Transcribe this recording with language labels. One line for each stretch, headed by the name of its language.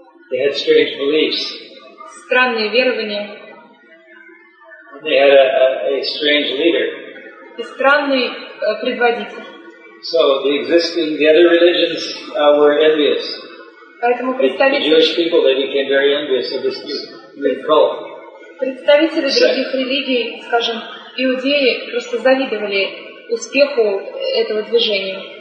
English: They had strange beliefs.
Russian: Странные верования.
English: They had a strange leader.
Russian: И странный предводитель.
English: So the other religions were envious.
Russian: Поэтому представители
English: Jewish people, they became very envious of this new cult.
Russian: Представители других религий, скажем, иудеи, просто завидовали успеху этого движения.